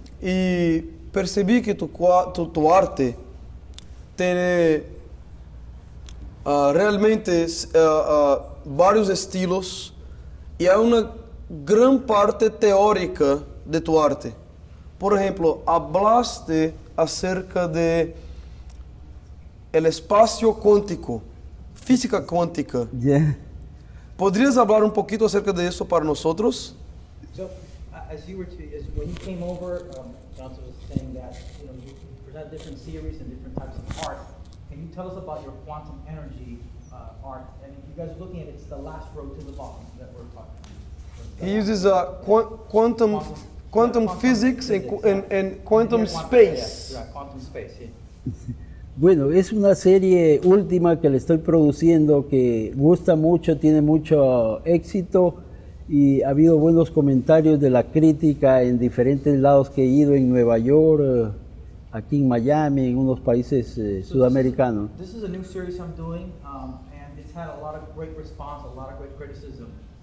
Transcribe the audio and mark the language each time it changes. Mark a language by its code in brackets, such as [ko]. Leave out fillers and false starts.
[es] Y percibí que tu arte tiene realmente varios estilos y hay una gran parte teórica de tu arte. Por ejemplo, hablaste acerca de el espacio cuántico, física cuántica. [en] Yeah. [es] ¿Podrías hablar un poquito acerca de eso para nosotros? [en] So, when you came over, Johnson was saying that, you present different series and different types of art. Can you tell us about your quantum energy art? And if you guys are looking at it, it's the last row to the bottom that we're talking about. He uses quantum physics and quantum space. Quantum space, yeah. [es] Bueno, es una serie última que le estoy produciendo que gusta mucho, tiene mucho éxito y ha habido buenos comentarios de la crítica en diferentes lados que he ido, en Nueva York, aquí en Miami, en unos países sudamericanos. [en] This is a new series I'm doing and it's had a lot of great response, a lot of great criticism.